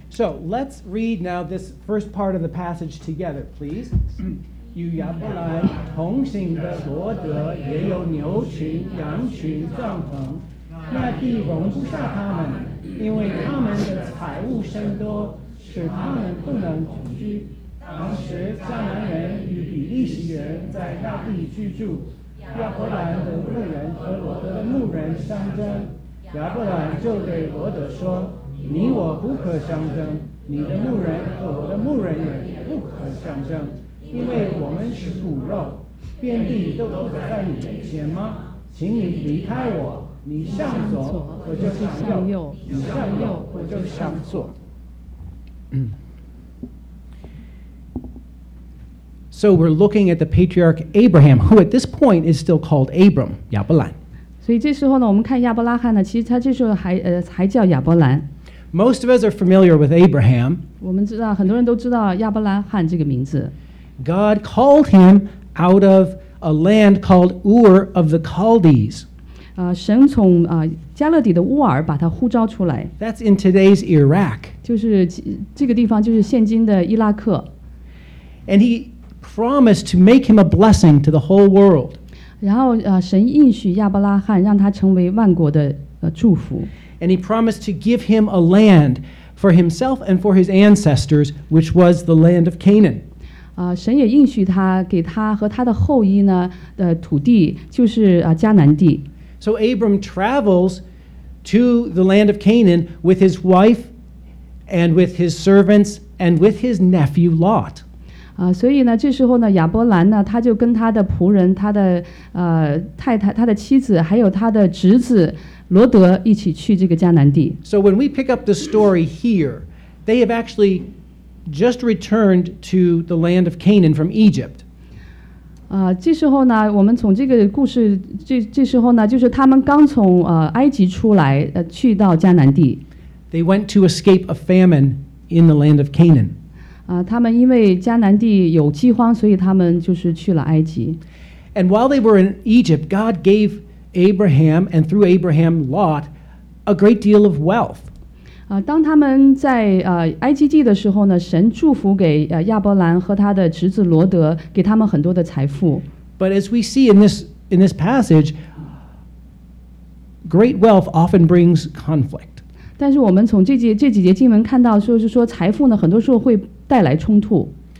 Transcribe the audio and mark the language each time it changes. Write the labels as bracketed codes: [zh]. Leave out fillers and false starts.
[en] So let's read now this first part of the passage together, please. [zh] 与亚伯兰同行的罗德也有牛群、羊群、帐篷，那地容不下他们，因为他们的财物甚多，使他们不能同居。当时迦南人与比利时人在那地居住，亚伯兰的牧人和罗德的牧人相争，亚伯兰就对罗德说：“你我不可相争，你的牧人和我的牧人也不可相争。” 因为我们是骨肉，遍地都不可在你面前吗？请你离开我，你向左，我就向右；向右你向右，我就向左。嗯。 [en] So we're looking at the patriarch Abraham, who at this point is still called Abram, 亚伯兰。 [zh] 所以这时候呢，我们看亚伯拉罕呢，其实他这时候还叫亚伯兰。 [en] Most of us are familiar with Abraham. [zh] 我们知道，很多人都知道亚伯拉罕这个名字。 [en] God called him out of a land called Ur of the Chaldees. [zh] 神从加勒底的乌尔把他呼召出来。 [en] That's in today's Iraq. [zh] 就是这个地方，就是现今的伊拉克。 [en] And he promised to make him a blessing to the whole world. [zh] 然后神应许亚伯拉罕，让他成为万国的祝福。 [en] And he promised to give him a land for himself and for his ancestors, which was the land of Canaan. [zh] 神也应许他给他和他的后裔呢的土地，就是迦南地。 [en] So Abram travels to the land of Canaan with his wife and with his servants and with his nephew Lot. [zh] 所以呢，这时候呢，亚伯兰呢，他就跟他的仆人、他的太太、他的妻子，还有他的侄子罗德一起去这个迦南地。 [en] So when we pick up the story here, they have actually. Just returned to the land of Canaan from Egypt. [zh] 这时候呢，我们从这个故事，这时候呢，就是他们刚从埃及出来，去到迦南地。 [en] They went to escape a famine in the land of Canaan. [zh] 他们因为迦南地有饥荒，所以他们就是去了埃及。 [en] And while they were in Egypt, God gave Abraham and through Abraham Lot a great deal of wealth. [zh] 当他们在埃及地的时候呢，神祝福给亚伯兰和他的侄子罗德，给他们很多的财富。 [en] But as we see in this passage, great wealth often brings conflict. [zh] 但是我们从这几节经文看到，就是说财富呢，很多时候会带来冲突。